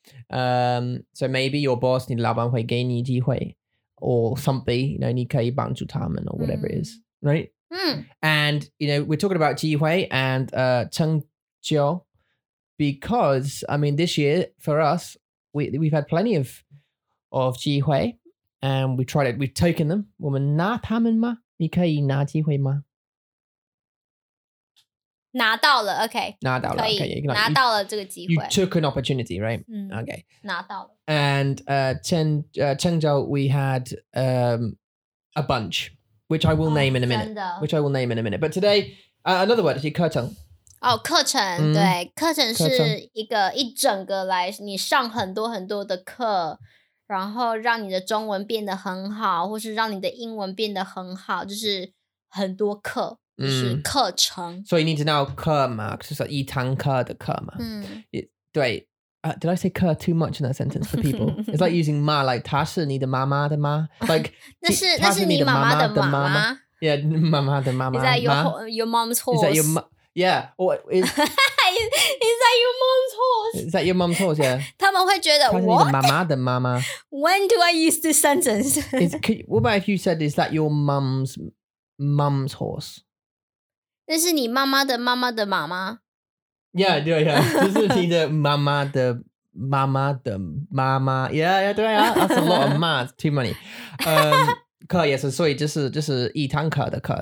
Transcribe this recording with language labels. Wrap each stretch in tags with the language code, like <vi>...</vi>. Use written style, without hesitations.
<en>So maybe your boss,</en> <zh>你老板会给你机会</zh> <en>or something, you know,</en> <zh>你可以帮助他们</zh> <en>or whatever it is, right? And, you know, we're talking about 机会 and 成就 because I mean this year for us we've had plenty of 机会 and we tried it, we've taken them.</en> <zh>我们拿他们吗？你可以拿机会吗？拿到了, okay. 拿到了,</zh> <en>okay. You took an opportunity, right? Okay.</en> <zh>拿到了.</zh> <en>And Chengzhou, we had a bunch, which I will name in a minute.</en> <zh>真的.</zh> <en>Which I will name in a minute. But today, another word, 课程.</en> <zh>Oh, 课程, 对, 课程是一个一整个来, 你上很多很多的课, 然后让你的中文变得很好, 或是让你的英文变得很好, 就是很多课。</zh> <en>So you need to know</en> <zh>课嘛, 就是一堂课的课嘛。对,</zh> <en>did I say 课 too much in that sentence for people? It's like using 妈, like</en> <zh>她是你的妈妈的吗?</zh> <en>Like,</en> <zh>那是你妈妈的妈妈。</zh> <en>Yeah,</en> <zh>妈妈的妈妈。</zh> <en>Is that your mom's horse? Is that your yeah. Or is that your mom's horse? Is that your mom's horse, yeah.</en> <zh>他们会觉得,</zh> <en>what?</en> <zh>她是你的妈妈的妈妈。</zh> <en>When do I use this sentence? What about if you said, is that your mom's horse?</en> <zh>那是你妈妈的妈妈的妈妈?</zh> <en>Yeah, yeah, yeah.</en> <zh>这是你的妈妈的妈妈的妈妈。</zh> <en>Yeah, yeah,</en> <zh>对啊。</zh> <en>That's a lot of math, too many.</en> <zh>课也是,所以就是一堂课的课。</zh>